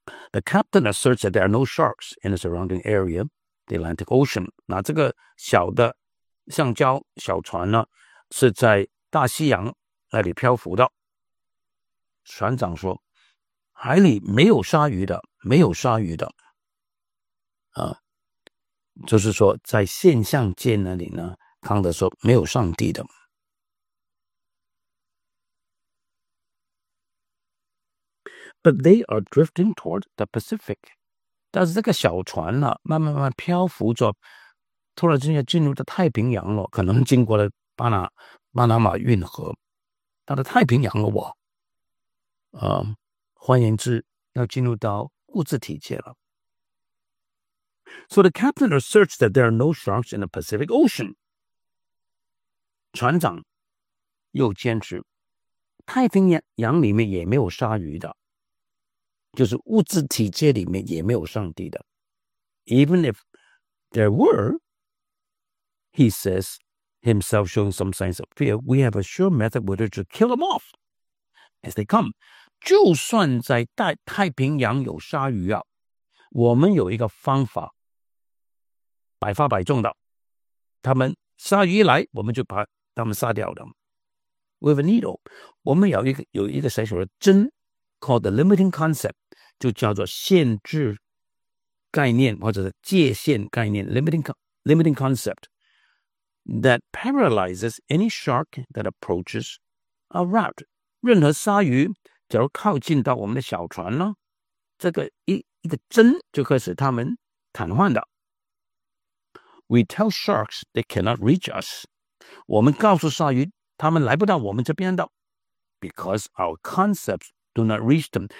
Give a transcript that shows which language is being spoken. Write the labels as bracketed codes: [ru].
[en] The captain asserts that there are no sharks in the surrounding area, the Atlantic Ocean. [zh] 那这个小的橡胶小船呢是在大西洋那里漂浮的。船长说，海里没有鲨鱼的，没有鲨鱼的。啊，就是说在现象界那里呢，康德说没有上帝的。 [en] But they are drifting toward the Pacific. [zh] 但是这个小船呢、啊、慢慢漂浮着，突然之间进入到太平洋了，可能经过了巴拿马运河，到了太平洋了哇。换言之，要进入到物质体界了。 [en] So the captain asserts that there are no sharks in the Pacific Ocean. [zh] 船长又坚持，太平洋里面也没有鲨鱼的，就是物质体界里面也没有上帝的。 [en] Even if there were, he says, himself showing some signs of fear, we have a sure method whether to kill them off as they come. [zh] 就算在太平洋有鲨鱼啊，我们有一个方法，百发百中的，他们鲨鱼一来，我们就把他们杀掉了。 [en] We have a needle. [zh] 我们有一个小小的针 [en] called the limiting concept, [zh] 就叫做限制概念或者是界限概念 limiting [en] concept that paralyzes any shark that approaches a raft. [zh] 任何鲨鱼假如靠近到我们的小船呢，这个一个针就可以使他们瘫痪的。 [en] We tell sharks they cannot reach us. [zh] 我们告诉鲨鱼他们来不到我们这边的。 [en] Because our concepts do not reach them.